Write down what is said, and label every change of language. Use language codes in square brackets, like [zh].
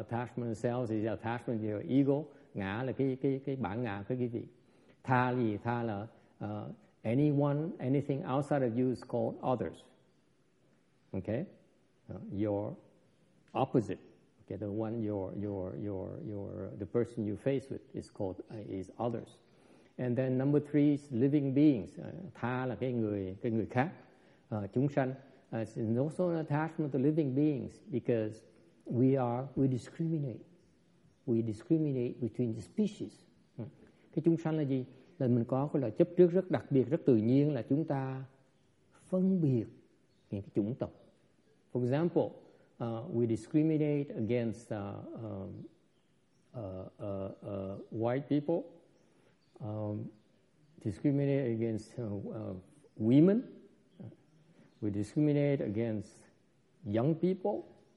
[en] Attachment to self is attachment to your ego. [vi] Ngã là cái bản ngã của cái gì? Tha là gì? Tha là [en] anyone, anything outside of you is called others. Okay. Your opposite. Okay, the one your the person you face with is called is others, and then number three is living beings. [vi] Tha là cái người khác, chúng sanh. [en] It's also an attachment to living beings because we discriminate between the species. [vi] Cái chúng sanh là gì? Là mình có cái loại chấp trước rất đặc biệt, rất tự nhiên là chúng ta phân biệt những cái chủng tộc. [en] For example. We discriminate against white people, discriminate against women, we discriminate against young people.